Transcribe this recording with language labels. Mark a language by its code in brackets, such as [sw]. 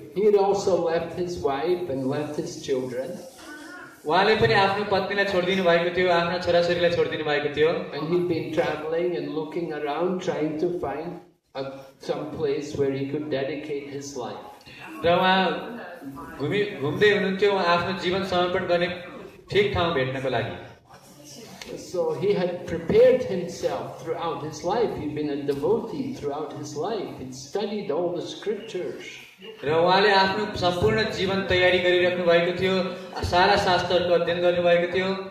[en] He had also left his wife and left his children [ne] उहाँले पनि आफ्नो पत्नीलाई छोडिदिनु भएको थियो आफ्ना छोराछोरीलाई छोडिदिनु भएको थियो [en] and he'd been traveling and looking around trying to find some place where he could dedicate his life [ne] र उहाँ घुम्दै हुनुहुन्थ्यो आफ्नो जीवन समर्पण गर्ने ठिक ठाउँ भेट्नको लागि [en] So he had prepared himself throughout his life. He'd been a devotee throughout his life. He'd studied all the scriptures. [ne] र उहाँले आफ्नो सम्पूर्ण जीवन तयारी गरिराख्नु भएको थियो सारा शास्त्रहरूको अध्ययन गर्नुभएको थियो